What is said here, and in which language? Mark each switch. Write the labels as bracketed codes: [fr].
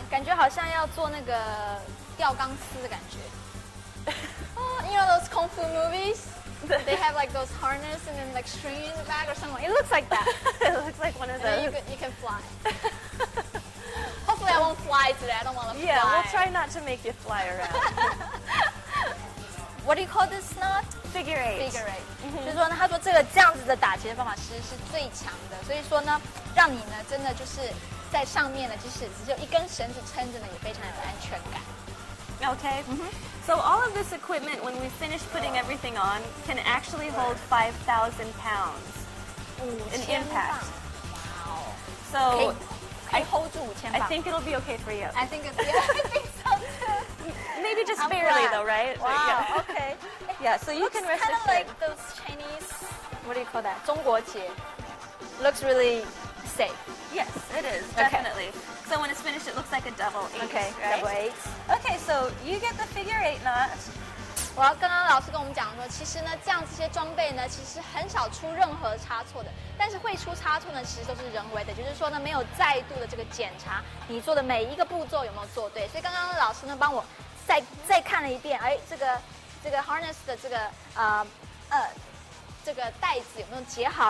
[zh] 感觉好像要做那个吊钢丝的感觉。 [en] You know those kung fu movies? They have like those harness and then like string in the back or something. It looks like that. It looks like one of those. You can fly. Hopefully I won't fly today. I don't want to fly. Yeah, we'll try not to make you fly around. What do you call this knot? Figure eight. Figure eight. [zh] 就是说呢，他说这个这样子的打结的方法其实是最强的。所以说呢，让你呢真的就是。在上面呢，即使只有一根绳子撑着呢，也非常有安全感。 [en] Okay. So all of this equipment, when we finish putting everything on, can actually hold 5,000 pounds. 5,000 pounds. Wow. So, can hold 5,000 pounds. I think it'll be okay for you. I think it'll be okay. Maybe just barely, though, right? Wow. But, yeah. Okay. Yeah. So you can rest. Kind of like those Chinese. What do you call that? 中国节 Looks really. Safe. Yes, it is, definitely. Okay. So when it's finished, it looks like a double eight. Okay, right? Double eight. Okay, so you get the figure eight knot. [zh] 我要刚刚老师跟我们讲说，其实呢，这样这些装备呢，其实很少出任何差错的。但是会出差错呢，其实都是人为的，就是说呢，没有再度的这个检查，你做的每一个步骤有没有做对。所以刚刚老师呢，帮我再看了一遍，哎，这个 harness 的这个带子有没有结好？